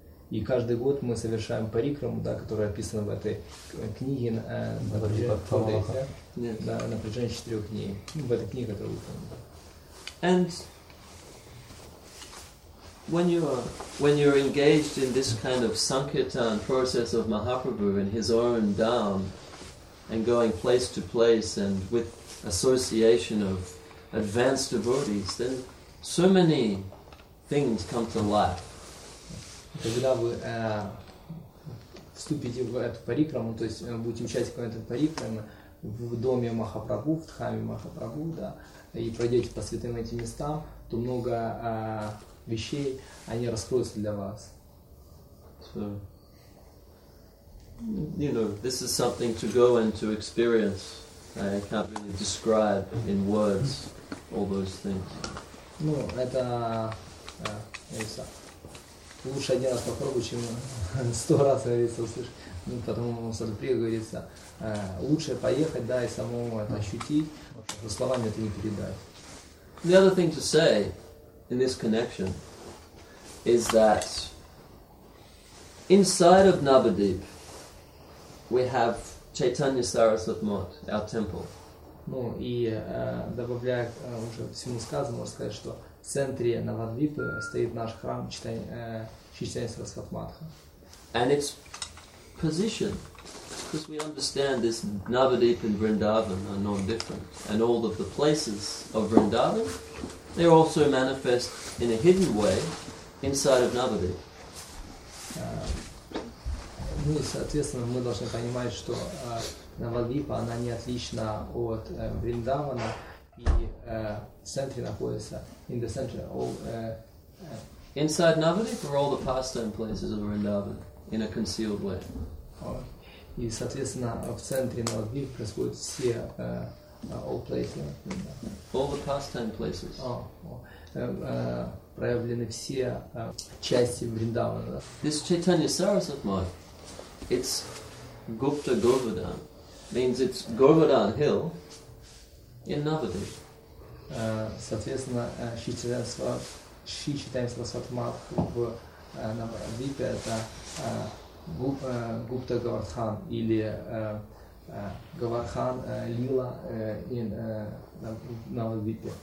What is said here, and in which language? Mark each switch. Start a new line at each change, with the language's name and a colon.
Russian: И каждый год мы совершаем парикраму, да, которая описана в этой книге на протяжении 4 дней. В этой книге, которую вы помните.
English: And when you're engaged in this kind of sankirtan process of Mahaprabhu in his own dham, and going place to place and with association of advanced devotees, then so many things come to life.
Russian: Когда вы вступите в эту парикраму, то есть будете участвовать в этой парикраме в доме Махапрабху, в дхаме Махапрабху, да, и пройдете по святым этим местам, то много вещей они раскроются для вас.
English: So, you know, this is something to go and to experience. I can't really describe in words all those things.
Russian: Ну, это это. Лучше один раз попробовать, чем 100 раз, говорится, услышать. Ну, потому что Садхуприя говорится, лучше поехать, да, и самому это ощутить, но словами это не передать.
English: The other thing to say in this connection is that inside of Nabadeep we have Chaitanya Sarasvatmot, our temple.
Russian: Ну, и добавляя уже всему сказанному, можно сказать, что в центре Навадвипы стоит наш храм Чистяйсрасватматха.
English: And its position, because we understand this Navadvip and Vrindavan are not different, and all of the places of Vrindavan, they are also manifest in a hidden way inside of Navadvip.
Russian: Ну и соответственно мы должны понимать, что Навадвипа она не отлична от Вриндавана.
English: In the center, inside Navadvip are all the pastime places of Vrindavan in a concealed way.
Russian: И соответственно в центре Навадвип происходит все
English: all places. All the pastime places.
Russian: Проявлены все части Вриндавана.
English: This Chaitanya Sarasvatmat, it's Gupta Govardhan, means it's Govardhan Hill in Navadvip.
Russian: Соответственно, Шри Чайтанья Сарасватматха в Навадвипе это Гупта Говардхан или Говардхан Лила in Навадвипе.